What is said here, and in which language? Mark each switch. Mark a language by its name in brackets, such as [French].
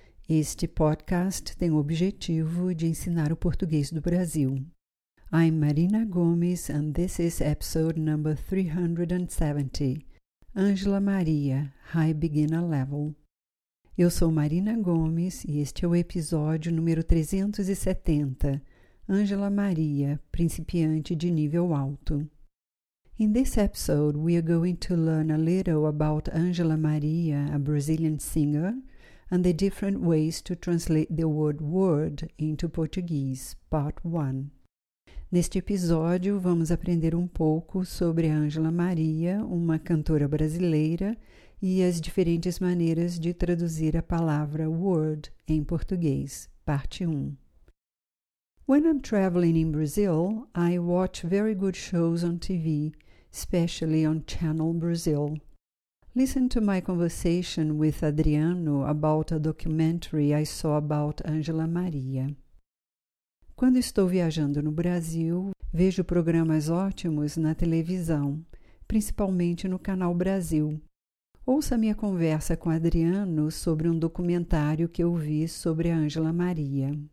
[Portuguese] Este podcast tem o objetivo de ensinar o português do Brasil. [English] I'm Marina Gomes and this is episode number 370. Angela Maria, High Beginner Level. [Portuguese] Eu sou Marina Gomes e este é o episódio número 370. Angela Maria, principiante de nível alto. [English] In this episode, we are going to learn a little about Angela Maria, a Brazilian singer, and the different ways to translate the word word into Portuguese, part 1. [Portuguese] Neste episódio, vamos aprender um pouco sobre Angela Maria, uma cantora brasileira, e as diferentes maneiras de traduzir a palavra word em português, parte 1. [English] When I'm traveling in Brazil, I watch very good shows on TV, especially on Channel Brazil. Listen to my conversation with Adriano about a documentary I saw about Angela Maria. [Portuguese] Quando estou viajando no Brasil, vejo programas ótimos na televisão, principalmente no Canal Brasil. Ouça minha conversa com Adriano sobre um documentário que eu vi sobre Angela Maria.